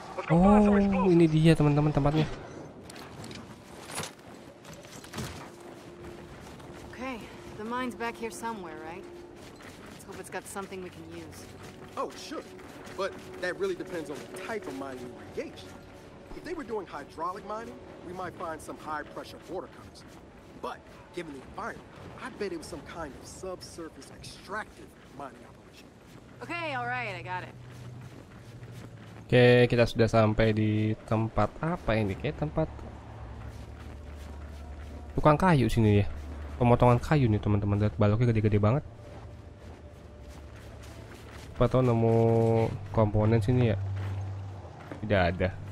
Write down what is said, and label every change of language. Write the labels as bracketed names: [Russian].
[Indonesian] Oh, ini dia teman-teman tempatnya. [English] Mine's back here somewhere, right? Let's hope it's got something we can use. Oh, sure. But that really depends on the type of mine you engage. If they were doing hydraulic mining, we might find some high-pressure water cutters. But given the environment, I bet it was some kind of subsurface extractive mining operation. Okay, all right, I got it. [Indonesian] Okay, kita sudah sampai di tempat apa ini? Kayak tempat tukang kayu sini ya. Pemotongan kayu nih teman-teman, lihat baloknya gede-gede banget. Apa tau nemu komponen sini ya? Tidak ada.